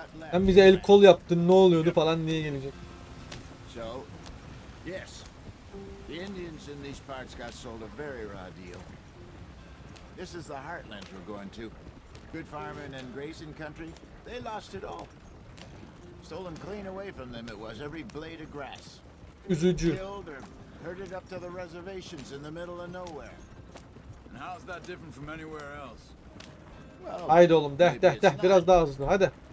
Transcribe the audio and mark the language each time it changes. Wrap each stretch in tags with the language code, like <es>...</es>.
<tr>Sen bize el kol yaptın ne oluyordu falan diye gelecek.</tr> <en>So, yes. The Indians in these parts got sold a very raw deal. This is the heartland we're going to. Good farming and grazing country. They lost it all. Stolen clean away from them it was, every blade of grass.</en> <tr>Üzücü.</tr> <en>Killed or herded up to the reservations in the middle of nowhere. And how's that different from anywhere else?</en> <tr>Well, haydi oğlum, deh biraz daha hızlı, hadi.</tr>